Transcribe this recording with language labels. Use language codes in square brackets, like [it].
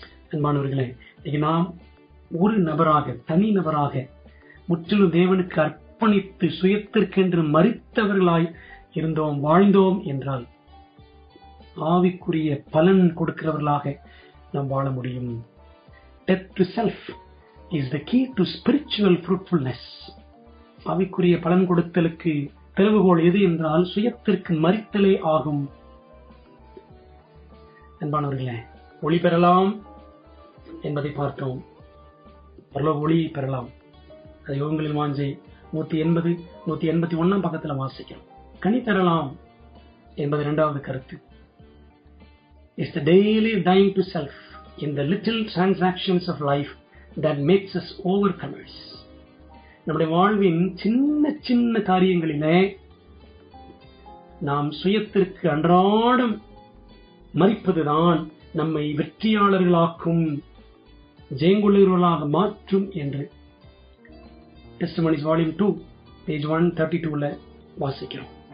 [ta] அன்பானவர்களே, இன்னைக்கு நாம் ஒரு நபராக, தனி நபராக முற்றிலும் தேவனுக்கு அர்ப்பணித்து சுயத்திற்கென்று மரித்தவர்களாய் இருந்தோம், வாழ்ந்தோம் என்றால் ஆவிக்குரிய பலன் கொடுக்கிறவர்களாக நாம் வாழ முடியும். [en] Death to self is the key to spiritual fruitfulness. [ta] ஆவிக்குரிய பலன் கொடுத்தலுக்கு திறவுகோல் எது என்றால் சுயத்திற்கு மரித்தலே ஆகும். அன்பானவர்களே, ஒளி பெறலாம் என்பதை பார்த்தோம், பரலோக ஒளியை பெறலாம். அதை யோகங்களில் வாஞ்சை 180-181 பக்கத்தில் வாசிக்கிறோம். கனி தரலாம் என்பது இரண்டாவது கருத்து. [en] It's the daily dying to self in the little transactions of life that makes us overcomers. [ta] நம்முடைய வாழ்வின் சின்ன சின்ன காரியங்களிலே நாம் சுயத்திற்கு அன்றாடம் மறிப்பதுதான் நம்மை வெற்றியாளர்களாக்கும், ஜெயங்குள்ளவர்களாக மாற்றும் என்று Testimonies Volume 2, page 132 ல வாசிக்கிறோம்.